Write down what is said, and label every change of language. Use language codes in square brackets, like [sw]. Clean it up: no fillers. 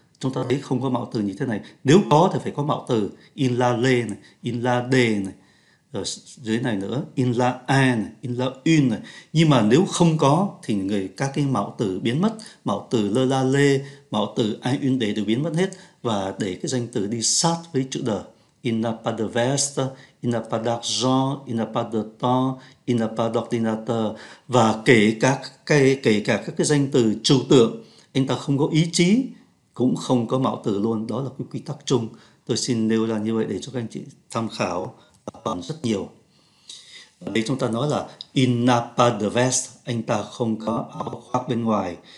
[vi] Chúng ta thấy không có mạo từ như thế này. Nếu có thì phải có mạo từ in la le này, in la de này, ở dưới này nữa in la a này, in la une này. Nhưng mà nếu không có thì người các cái mạo từ biến mất, mạo từ le la le, mạo từ a une de đều biến mất hết và để cái danh từ đi sát với chữ de. [fr] Il n'a pas de veste, il n'a pas d'argent, il n'a pas de temps, il n'a pas d'ordinateur. [vi] Và kể cả các cái danh từ trừu tượng, anh ta không có ý chí cũng không có mạo từ luôn. Đó là cái quy tắc chung. Tôi xin nêu ra như vậy để cho các anh chị tham khảo còn rất nhiều. Ở đây chúng ta nói là [fr] il n'a pas de veste, [vi] anh ta không có áo khoác bên ngoài.